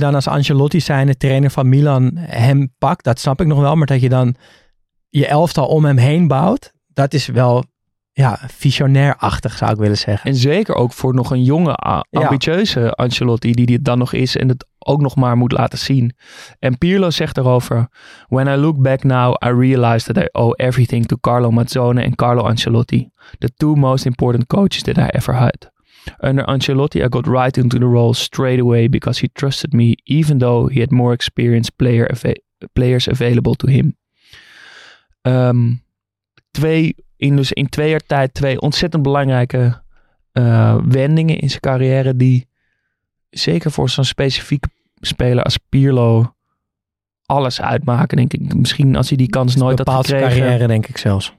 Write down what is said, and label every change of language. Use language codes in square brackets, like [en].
[nl] Dat je dan als Ancelotti zijnde trainer van Milan hem pakt, dat snap ik nog wel. Maar dat je dan je elftal om hem heen bouwt, dat is wel visionair-achtig, zou ik willen zeggen. En zeker ook voor nog een jonge, ambitieuze Ancelotti die dit dan nog is en het ook nog maar moet laten zien. En Pirlo zegt erover: [en] "When I look back now, I realize that I owe everything to Carlo Mazzone and Carlo Ancelotti, the two most important coaches that I ever had. Under Ancelotti, I got right into the role straight away because he trusted me, even though he had more experienced players available to him." [nl] In 2 jaar tijd 2 ontzettend belangrijke wendingen in zijn carrière die zeker voor zo'n specifieke speler als Pirlo alles uitmaken, denk ik. Misschien als hij die kans nooit had gekregen. Bepaalde carrière, denk ik zelfs.